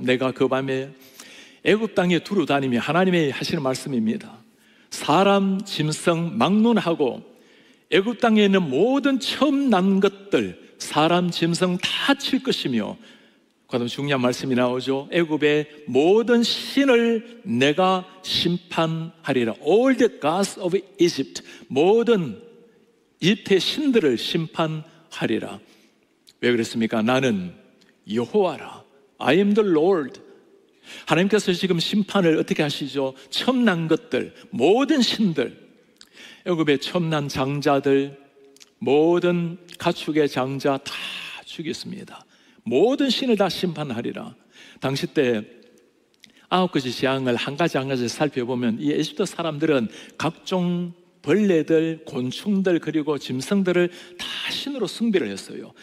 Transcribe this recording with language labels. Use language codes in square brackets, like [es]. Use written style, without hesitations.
[ko] 내가 그 밤에 애굽 땅에 두루 다니며, 하나님이 하시는 말씀입니다. 사람, 짐승, 막론하고 애굽 땅에 있는 모든 처음 난 것들, 사람, 짐승 다 칠 것이며, 그다음 중요한 말씀이 나오죠. 애굽의 모든 신을 내가 심판하리라. [en] All the gods of Egypt, [ko] 모든 이집트의 신들을 심판하리라. 왜 그랬습니까? 나는 여호와라. [en] I am the Lord. [ko] 하나님께서 지금 심판을 어떻게 하시죠? 처음 난 것들, 모든 신들, 애굽의 첨난 장자들, 모든 가축의 장자 다 죽였습니다. 모든 신을 다 심판하리라. 당시 때 9가지 재앙을 한 가지 한 가지 살펴보면 이 애굽 사람들은 각종 벌레들, 곤충들, 그리고 짐승들을 다 신으로 숭배를 했어요.